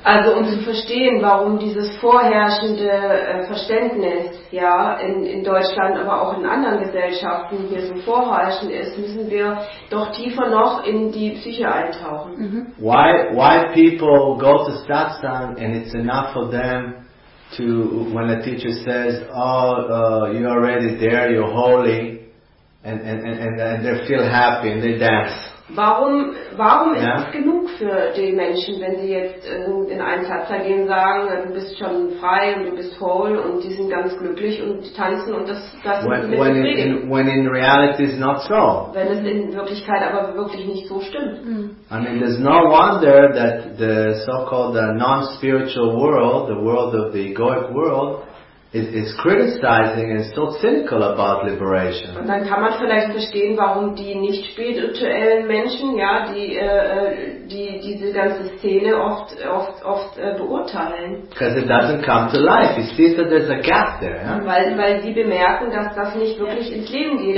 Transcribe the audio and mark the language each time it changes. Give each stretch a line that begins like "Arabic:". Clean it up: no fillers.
German: Also um zu verstehen, warum dieses vorherrschende Verständnis ja in Deutschland, aber auch in anderen Gesellschaften hier so vorherrschend ist, müssen wir doch tiefer noch in die Psyche eintauchen. Mhm.
English: Why people go to satsang and it's enough for them to, when a teacher says, oh, you're already there, you're holy, and they feel happy and they dance.
German: Warum ist es genug für die Menschen, wenn sie jetzt in einen Satsang gehen, sagen, du bist schon frei und du bist whole und die sind ganz glücklich und tanzen und das ist
English: When in reality is not so.
German: Wenn es in Wirklichkeit aber wirklich nicht so stimmt.
English: I mean, there's no wonder that the so-called non-spiritual world, the world of the egoic world, is criticizing and so cynical about liberation.
German: Und dann kann man vielleicht verstehen, warum die nicht spirituellen Menschen, ja, die diese ganze Szene oft beurteilen.
English: Because it doesn't come to life. You see that there's a gap there. Yeah?
German: Weil sie bemerken, dass das nicht wirklich ins Leben geht.